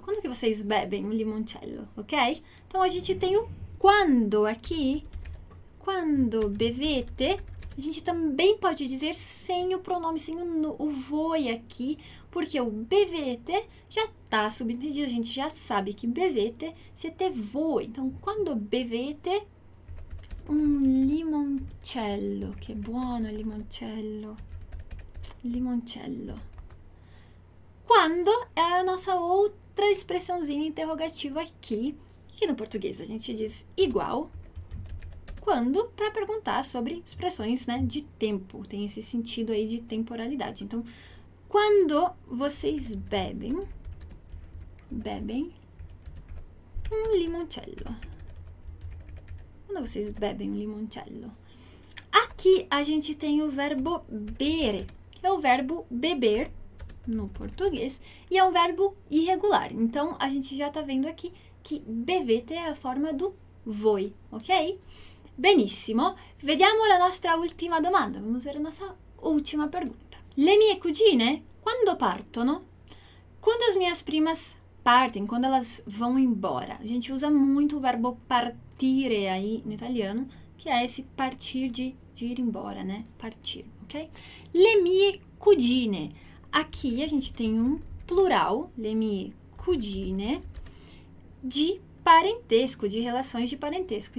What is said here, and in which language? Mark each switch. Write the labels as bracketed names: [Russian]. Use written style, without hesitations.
[Portuguese] Quando que vocês bebem um limoncello, ok? Então a gente tem o quando aqui. [Italian] Quando bevete, [Portuguese] a gente também pode dizer sem o pronome, sem o voi aqui, porque o bevete já tá subentendido, a gente já sabe que [Italian] bevete siete voi. Então, quando bevete un limoncello, che buono il limoncello, limoncello. [Portuguese] Quando é a nossa outra expressãozinha interrogativa aqui, que no português a gente diz igual, quando, para perguntar sobre expressões, né, de tempo, tem esse sentido aí de temporalidade. Então, quando vocês bebem um limoncello. Quando vocês bebem um limoncello. Aqui a gente tem o verbo bere, que é o verbo beber no português, e é um verbo irregular. Então, a gente já está vendo aqui que bevete é a forma do voi, ok? [Italian] Benissimo. Vediamo la nostra ultima domanda. [Portuguese] Vamos ver a nossa última pergunta. [Italian] Le mie cugine, quando partono? [Portuguese] Quando as minhas primas partem, quando elas vão embora? A gente usa muito o verbo partire aí no italiano, que é esse partir de ir embora, né? Partir, ok? [Italian] Le mie cugine. [Portuguese] Aqui a gente tem um plural, le mie cugine, de parentesco, de relações de parentesco.